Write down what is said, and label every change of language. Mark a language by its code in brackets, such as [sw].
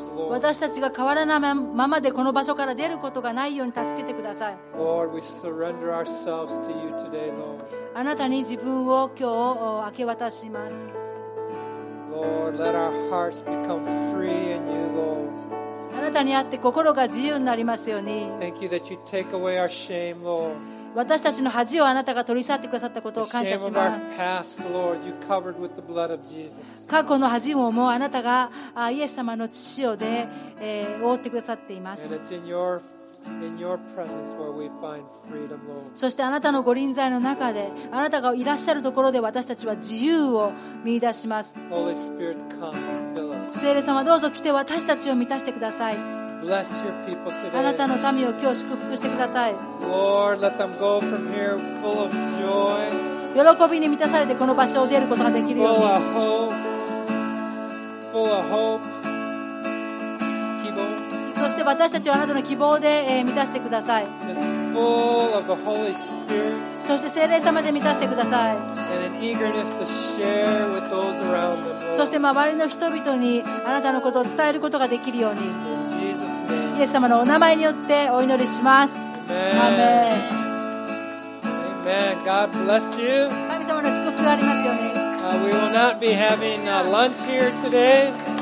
[ja] 私たちが変わらないままでこの場所から出ることがないように助けてください。 [en] Lord, we surrender ourselves to you today, Lord. [ja] あなたに自分を今日明け渡します。 [en] Lord, let our hearts become free in you, Lord. [ja] あなたにあって心が自由になりますように。 [en] Thank you that you take away our shame, Lord. [ja] 私たちの恥をあなたが取り去ってくださったことを感謝します。 [en] past, Lord, you covered with the blood of Jesus. [ja] 過去の恥をもうあなたがイエス様の血をで、覆ってくださっています。 [en] And it's in your presence where we find freedom, Lord. [ja] そしてあなたのご臨在の中であなたがいらっしゃるところで私たちは自由を見出します。 [en] Holy Spirit, come and fill us. [ja] 聖霊様どうぞ来て私たちを満たしてください。 [en] Bless your people today. [ja] あなたの民を今日祝福してください。 [en] Lord, let them go from here full of joy. [ja] 喜びに満たされてこの場所を出ることができるように。 [en] Full of hope. Full of hope. [ja] 希望。そして私たちをあなたの希望で満たしてください。 [en] It's full of the Holy Spirit. [ja] そして聖霊様で満たしてください。 [en] And an eagerness to share with those around them. [ja] そして周りの人々にあなたのことを伝えることができるように。イエス様のお名前によってお祈りします。 [en] アーメン。Amen. God bless you. [ja] 神様の祝福がありますように。 [en] We will not be having lunch here today.